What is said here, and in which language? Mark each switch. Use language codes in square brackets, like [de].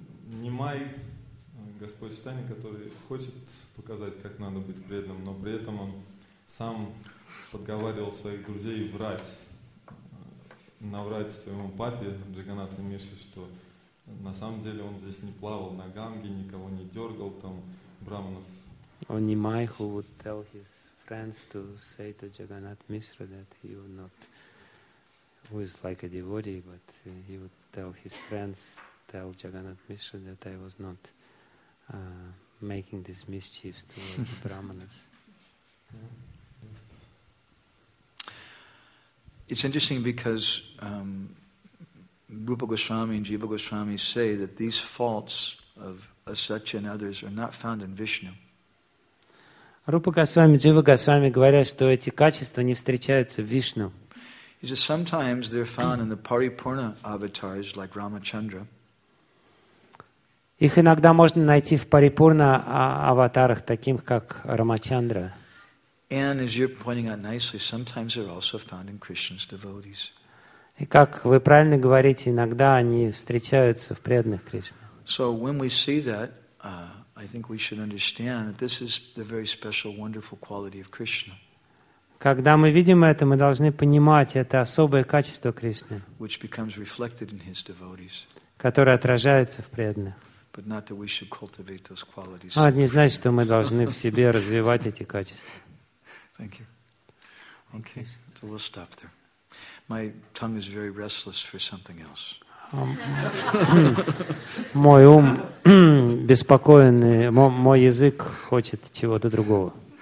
[ru] Немай, Господь Читания, который хочет показать, как надо быть преданным, но при этом он сам подговаривал своих друзей врать, наврать своему папе, Джаганнату Миши, что На самом деле он здесь не плавал на Ганге, никого не дергал там браманов. [en] Only Mai who would tell his friends to say to Jagannath Mishra that he would not, who is like a devotee, but he would tell his friends, tell Jagannath Mishra that I was not making these mischiefs towards the brahmanas. It's interesting because Rupa Goswami and Jiva Goswami say that these faults of Asatya and others are not found in Vishnu. [ru] Rupa Goswami, Jiva Goswami говорят, что эти качества не встречаются в Вишну. [en] He says sometimes they're found in the Paripurna avatars like Ramachandra. [ru] Их иногда можно найти в Парипурна аватарах, таких как Рамачандра. [en] And as you're pointing out nicely, sometimes they're also found in Krishna's devotees. [ru] И как вы правильно говорите, иногда они встречаются в преданных Кришне. [en] So when we see that, I think we should understand that this is the very special, wonderful quality of Krishna. [ru] Когда мы видим это, мы должны понимать, это особое качество Кришны, [en] which becomes reflected in his devotees, [ru] которое отражается в преданных. [en] But not that we should cultivate those qualities. [ru] А не значит, что мы должны в себе развивать эти качества. [en] Thank you. Okay, so we'll stop there. My tongue is very restless for something else. [ru] Мой ум беспокоенный, мой язык хочет чего-то другого.